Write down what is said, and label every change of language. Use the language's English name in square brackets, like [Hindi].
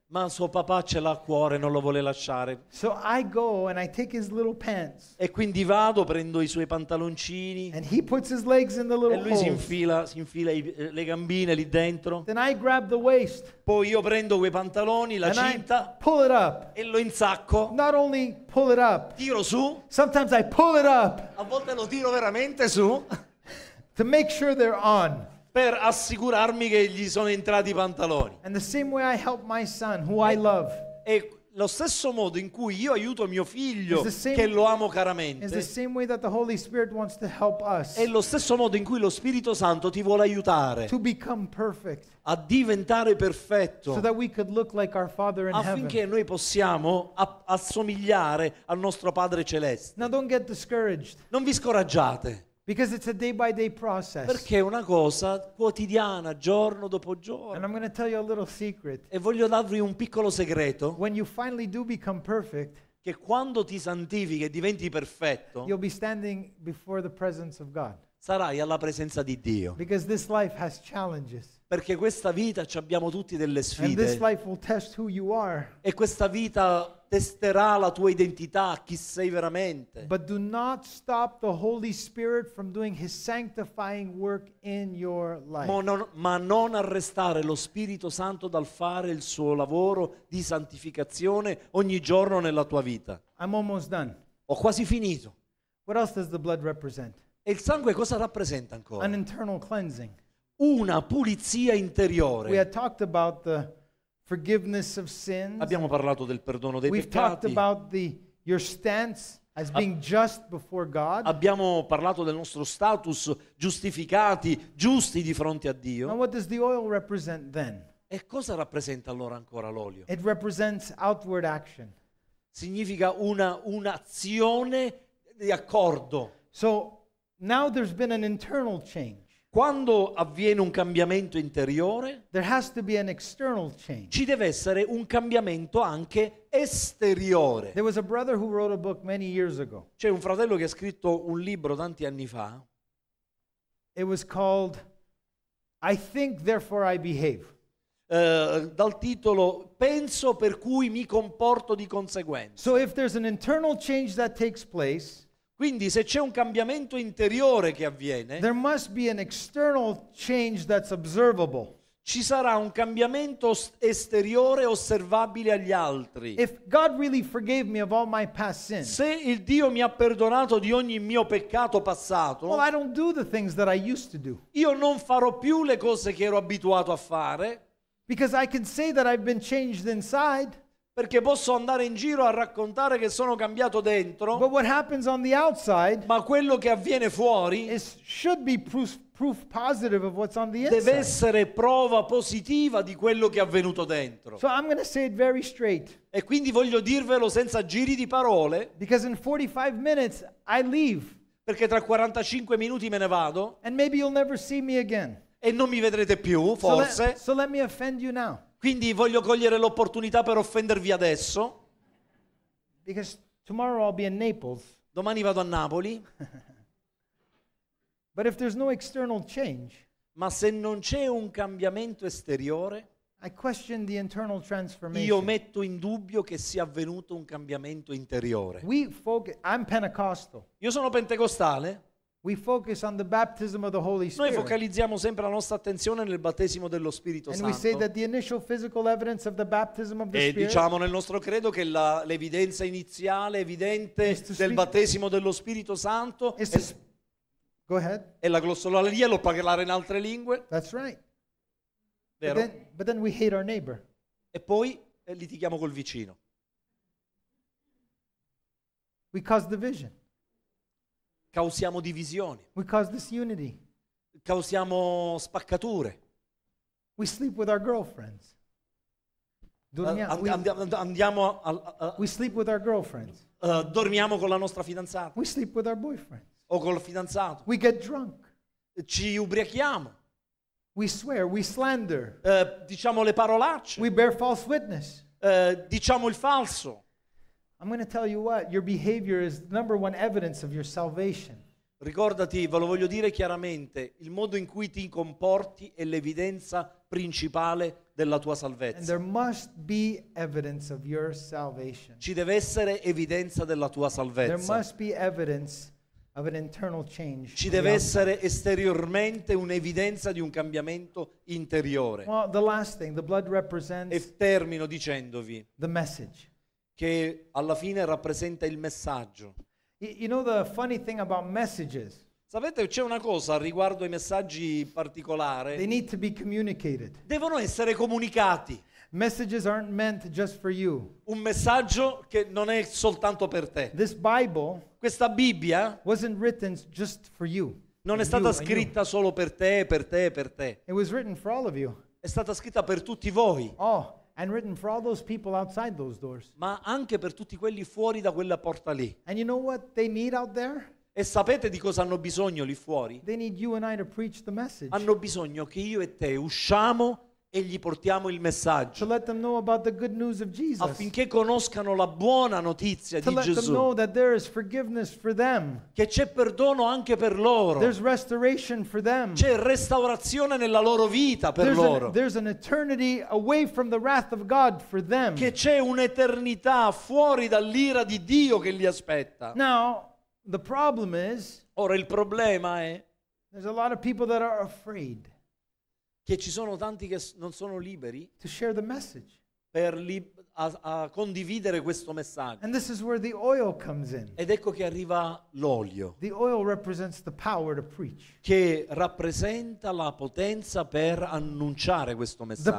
[Italian] Ma suo papà ce l'ha a cuore, non lo vuole lasciare. [English] So I go and I take his little pants. [Italian] E quindi vado, prendo i suoi pantaloncini. [English] And he puts his legs in the little [Italian] e lui si infila le gambine lì dentro. [English] Then I grab the waist. [Italian] Poi io prendo quei pantaloni, la [English] and [Italian] cinta. [English] I pull it up. [Italian] E lo insacco. [English] Not only pull it up. [Italian] Tiro su. [English] Sometimes I pull it up. [Italian] A volte lo tiro veramente su. [English] To make sure they're on. [Italian] Per assicurarmi che gli sono entrati i pantaloni. [English] And the same way I help my son, who I love. [Italian] E lo stesso modo in cui io aiuto mio figlio, che lo amo caramente. [English] Is the same way that the Holy Spirit wants to help us. [Italian] È lo stesso modo in cui lo Spirito Santo ti vuole aiutare. [English] To become perfect. [Italian] A diventare perfetto. [English] So that we could look like our Father in heaven. [Italian] Affinché noi possiamo assomigliare al nostro Padre celeste. [English] Now don't get discouraged. [Italian] Non vi scoraggiate. [English] Because it's a day by day process. [Italian] Perché è una cosa quotidiana, giorno dopo giorno. [English] And I'm going to tell you a little secret. [Italian] E voglio darvi un piccolo segreto. [English] When you finally do become perfect, [Italian] che quando ti santifichi e diventi perfetto, [English] you'll be standing before the presence of God. [Italian] Sarai alla presenza di Dio. [English] Because this life has challenges. [Italian] Perché questa vita ci abbiamo tutti delle sfide. [English] And this life will test who you are. [Italian] E questa vita testerà la tua identità, chi sei veramente. [English] But do not stop the Holy Spirit from doing his sanctifying work in your life. [Italian] Ma non arrestare lo Spirito Santo dal fare il suo lavoro di santificazione ogni giorno nella tua vita. [English] I'm almost done. [Italian] Ho quasi finito. [English] What else does the blood represent? [Italian] E il sangue cosa rappresenta ancora? [English] An internal cleansing. [Italian] Una pulizia interiore. [English] We had talked about the forgiveness of sins. [Italian] Abbiamo parlato del perdono dei peccati. [English] We've talked about your stance as being just before God. [Italian] Abbiamo parlato del nostro status giustificati, giusti di fronte a Dio. [English] Now what does the oil represent then? [Italian] E cosa rappresenta allora ancora l'olio? [English] It represents outward action. [Italian] Significa un'azione di accordo. [English] So now there's been an internal change. [Italian] Quando avviene un cambiamento interiore, [English] there has to be an external change. [Italian] Ci deve essere un cambiamento anche esteriore. [English] There was a brother who wrote a book many years ago. [Italian] C'è un fratello che ha scritto un libro tanti anni fa. [English] It was called I Think Therefore I Behave. [Italian] Dal titolo Penso per cui mi comporto di conseguenza. [English] So if there's an internal change that takes place, [Italian] quindi se c'è un cambiamento interiore che avviene, [English] there must be an external change that's observable. [Italian] Ci sarà un cambiamento esteriore osservabile agli altri. [English] If God really forgave me of all my past sins, [Italian] se il Dio mi ha perdonato di ogni mio peccato passato, [English] well, I don't do the things that I used to do. [Italian] Io non farò più le cose che ero abituato a fare. [English] Because I can say that I've been changed inside. [Italian] Perché posso andare in giro a raccontare che sono cambiato dentro. [English] But what happens on the outside, [Italian] ma quello che avviene fuori [English] should be proof positive of what's on the inside. [Italian] Deve essere prova positiva di quello che è avvenuto dentro. [English] So I'm gonna say it very straight. [Italian] E quindi voglio dirvelo senza giri di parole. [English] Because in 45 minutes I leave. [Italian] Perché tra 45 minuti me ne vado. [English] And maybe you'll never see me again. [Italian] E non mi vedrete più, forse. [English] So let me offend you now. [Italian] Quindi voglio cogliere l'opportunità per offendervi adesso. [English] Because tomorrow I'll be in Naples. [Italian] Domani vado a Napoli. [English] But if there's no external change, [Italian] ma se non c'è un cambiamento esteriore, [English] I question the internal transformation. [Italian] Io metto in dubbio che sia avvenuto un cambiamento interiore. [English] I'm Pentecostal. [Italian] Io sono pentecostale. [English] We focus on the baptism of the Holy Spirit. [Italian] Noi focalizziamo sempre la nostra attenzione nel battesimo dello Spirito Santo. [English] And we say that the initial physical evidence of the baptism of the Spirit. [Italian] E diciamo nel nostro credo che l'evidenza iniziale, evidente del battesimo dello Spirito Santo è la glossolalia, lo parlare in altre lingue. [English] That's right. [Italian] Vero? [English] But then we hate our neighbor. [Italian] E poi litighiamo col vicino. [English] We cause division. [Italian] Causiamo divisioni. [English] We cause disunity. [Italian] Causiamo spaccature. [English] We sleep with our girlfriends. [Italian] Andiamo. [English] We sleep with our girlfriends. [Italian] Dormiamo con la nostra fidanzata. [English] We sleep with our boyfriends. [Italian] O col fidanzato. [English] We get drunk. [Italian] Ci ubriachiamo. [English] We swear. We slander. [Italian] Diciamo le parolacce. [English] We bear false witness. [Italian] Diciamo il falso. [English] I'm going to tell you what, your behavior is the number one evidence of your salvation. [Italian] Ricordati, ve lo voglio dire chiaramente, il modo in cui ti comporti è l'evidenza principale della tua salvezza. [English] And there must be evidence of your salvation. [Italian] Ci deve essere evidenza della tua salvezza. [English] There must be evidence of an internal change. [Italian] Ci deve essere esteriormente un'evidenza di un cambiamento interiore. [English] Well, the last thing, the blood represents [Italian] e termino dicendovi [English] the message. [Italian] Che alla fine rappresenta il messaggio. [English] You know the funny thing about messages. [Italian] Sapete, c'è una cosa riguardo ai messaggi particolari. [English] They need to be communicated. [Italian] Devono essere comunicati. [English] Messages aren't meant just for you. [Italian] Un messaggio che non è soltanto per te. [English] This Bible. [Italian] Questa Bibbia. [English] Wasn't written just for you. [Italian] Non è stata scritta solo per te, per te, per te. [English] It was written for all of you. [Italian] È stata scritta per tutti voi. Oh. [English] And written for all those people outside those doors. [Italian] Ma anche per tutti quelli fuori da quella porta lì. [English] And you know what they need out there? [Italian] E sapete di cosa hanno bisogno lì fuori? [English] They need you and I to preach the message. [Italian] Hanno bisogno che io e te usciamo e gli portiamo il messaggio. [English] To let them know about the good news of Jesus. [Italian] Affinché conoscano la buona notizia [English] to [Italian] di [English] let [Italian] Gesù. [English] Them know that there is forgiveness for them. [Italian] Che c'è perdono anche per loro. [English] There's restoration for them. [Italian] C'è restaurazione nella loro vita per [English] there's [Italian] loro. [English] There's an eternity away from the wrath of God for them. [Italian] Che c'è un'eternità fuori dall'ira di Dio che li aspetta. [English] Now, the problem is [Italian] ora il problema è [English] there's a lot of people that are afraid. [Italian] Che ci sono tanti che non sono liberi [English] to share the message. [Italian] Per a condividere questo messaggio. [English] And this is where the oil comes in. [Italian] Ed ecco che arriva l'olio. [English] The oil represents the power to preach. [Italian] Che rappresenta la potenza per annunciare questo messaggio.